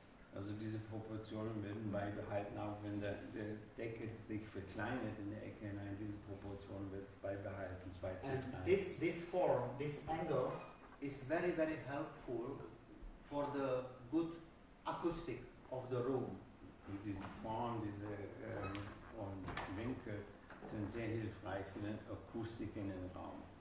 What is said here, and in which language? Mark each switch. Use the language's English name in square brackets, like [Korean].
[German] Also diese Proportionen werden beibehalten, auch wenn der Decke sich verkleinert in der Ecke hinein, diese Proportionen wird beibehalten, 2 zu 3. [English] And this form, this angle, is very, very helpful for the good acoustic of the room. [German] Diese Form, diese und Winkel, sind sehr hilfreich für die Akustik in den Raum.